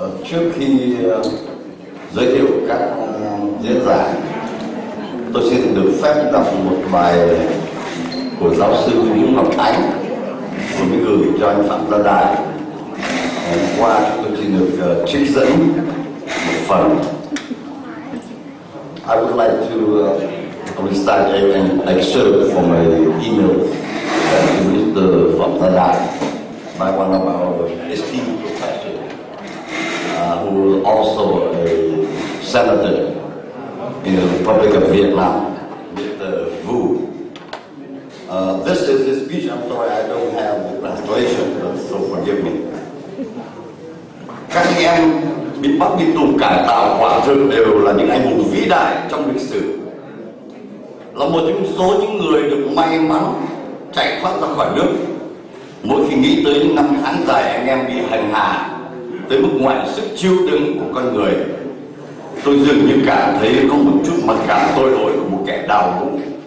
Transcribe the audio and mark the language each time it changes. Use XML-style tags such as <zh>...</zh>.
<vi>Trước khi giới thiệu các diễn giả, tôi xin được phép đọc một bài của giáo sư Nguyễn Ngọc Ánh, tôi mới gửi cho anh Phạm Gia Đại. Hôm qua tôi xin được trích dẫn một phần.</vi> <en>I would like to restart an excerpt for my email. Mr. Phạm Gia Đại, by one of our esteemed professors, who is also a senator in the Republic of Vietnam, Mr. Vu. This is his speech. I'm sorry I don't have the translation, but so forgive me.</en> <vi>Các em bị bắt, bị tù, cải tạo, quả thực đều là những anh hùng vĩ đại trong lịch sử. Là một trong số những người được may mắn chạy thoát ra khỏi nước. Mỗi khi nghĩ tới những năm tháng dài anh em bị hành hạ tới mức ngoài sức chịu đựng của con người, tôi dường như cảm thấy có một chút mặc cảm tội lỗi của một kẻ đào ngũ.</vi>